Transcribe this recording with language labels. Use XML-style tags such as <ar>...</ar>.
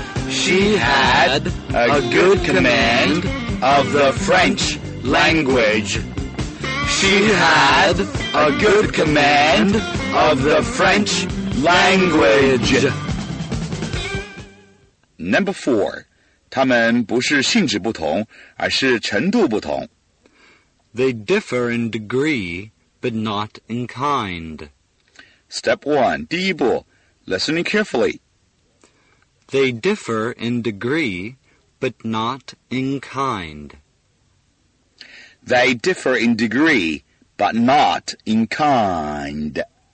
<en>She had a good command of the French language. She had a good command of the French language. Number 4.</en> <zh>他们不是性质不同, 而是程度不同.</zh> <en>They differ in degree, but not in kind. Step 1, 第一步, listening carefully. They differ in degree, but not in kind. They differ in degree, but not in kind.</en>